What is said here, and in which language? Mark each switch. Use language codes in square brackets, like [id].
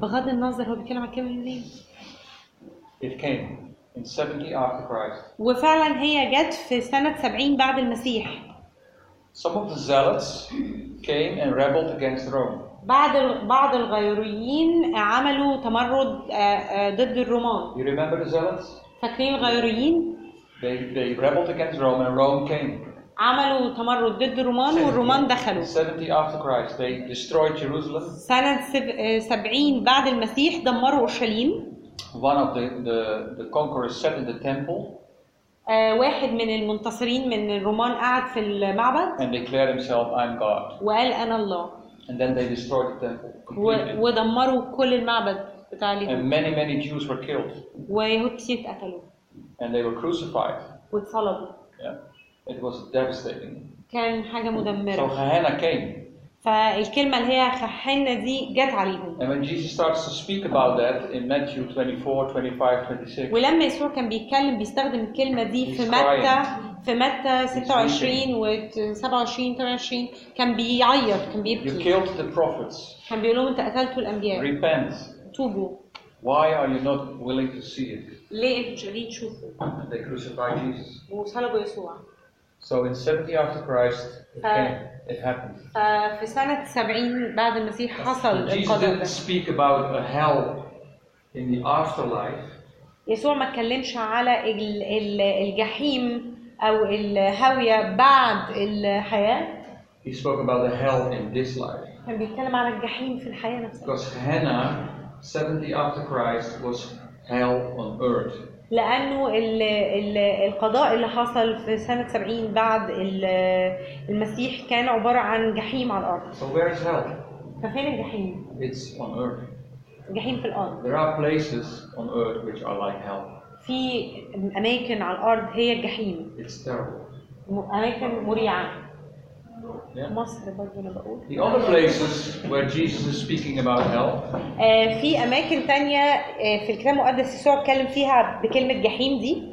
[ar] بغض النظر هو بيتكلم عن كلمه منين. [en] It came in 70 after Christ. [ar] وفعلا هي جت في سنه 70 بعد المسيح. [en] Some of the zealots came and rebelled against Rome. [ar] بعض الغيوريين عملوا تمرد ضد الرومان. [en] You remember the zealots? [ar] فاكرين الغيوريين? [en] They rebelled against Rome and Rome came. [ar] عملوا تمرد ضد الرومان والرومان دخلوا. [en] 70 after Christ, they destroyed Jerusalem. [ar] سنة 70 بعد المسيح دمروا أورشليم. [en] One of the conquerors sat in the temple. [ar] واحد من المنتصرين من الرومان قعد في المعبد. [en] And declared himself, "I'm God." [ar] وقال أنا الله. [en] And then they destroyed the temple completely. [ar] ودمروا كل المعبد بتاع ليهم. [en] And many Jews were killed. [ar] ويهود كتير اتقتلوا. [en] And they were crucified. [ar] واتصلبوا. [en] Yeah. It was devastating. [ar] كان حاجة مدمرة. [en] So Gehenna came. [ar] فالكلمة اللي هي خحنة دي جت عليهم. [en] And when Jesus starts to speak about that in Matthew 24, 25, 26. [ar] ولما يسوع كان بيتكلم بيستخدم الكلمة دي في متى. في متى 26 و 27 كان بيعيط كان بيبكي. [en] You killed the prophets. [ar] كان بيقول لهم انت قتلتوا الانبياء. [en] Repent. [ar] توبوا. [en] Why are you not willing to see it? [ar] ليه انتوا مش قادرين تشوفوا؟ [en] They crucified Jesus. [ar] وصلبوا يسوع. [en] So in 70 after Christ it happened. [ar] في سنة 70 بعد المسيح حصل القضاء. [en] Jesus didn't speak about a hell in the afterlife. [ar] يسوع ما اتكلمش على الجحيم أو الهاوية بعد الحياة. [en] He spoke about the hell in this life. [ar] كان بيتكلم عن الجحيم في الحياة نفسها. [en] Because Gehenna, 70 after Christ, was hell on earth. [ar] لأنه القضاء اللي حصل في سنة 70 بعد المسيح كان عبارة عن جحيم على الأرض. [en] So where is hell? [ar] ففين الجحيم? [en] It's on earth. [ar] الجحيم في الأرض. [en] There are places on earth which are like hell. [ar] في أماكن على الأرض هي الجحيم. [en] It's terrible. [ar] أماكن مريعة. [en] Yeah. [ar] مصر برضو أنا بقول. [en] The other places where Jesus is speaking about hell. [ar] في أماكن تانية في الكتاب المقدس يسوع اتكلم فيها بكلمة جحيم دي.